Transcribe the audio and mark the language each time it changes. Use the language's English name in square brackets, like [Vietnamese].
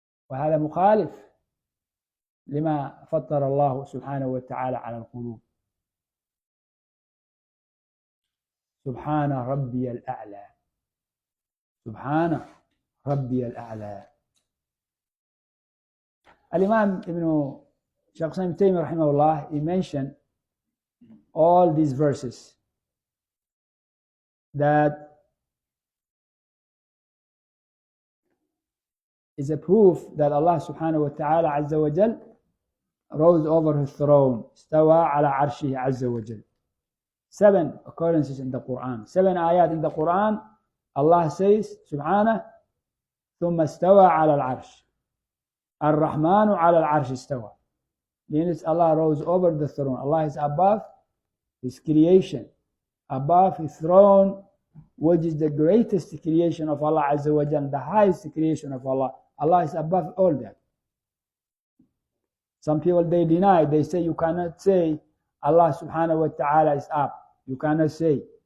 [Arabic] وهذا مخالف لما فطر الله سبحانه وتعالى على القلوب، سبحان ربي الأعلى، سبحان ربي الأعلى. الإمام ابن شخص ابن تيمية رحمه الله [English] he mentioned all these verses that is a proof that Allah subhanahu wa ta'ala عز وجل rose over his throne [Arabic] استوى على عرشه عز وجل. [English] 7 occurrences in the Quran, 7 آيات in the Quran Allah says [Arabic] سبحانه ثم استوى على العرش، الرحمن على العرش استوى. [English] Means Allah rose over the throne. Allah is above His creation, above His throne, which is the greatest creation of Allah Azza wa Jalla, the highest creation of Allah. Allah is above all that. Some people they deny. They say you cannot say Allah Subhanahu wa Taala is up. You cannot say.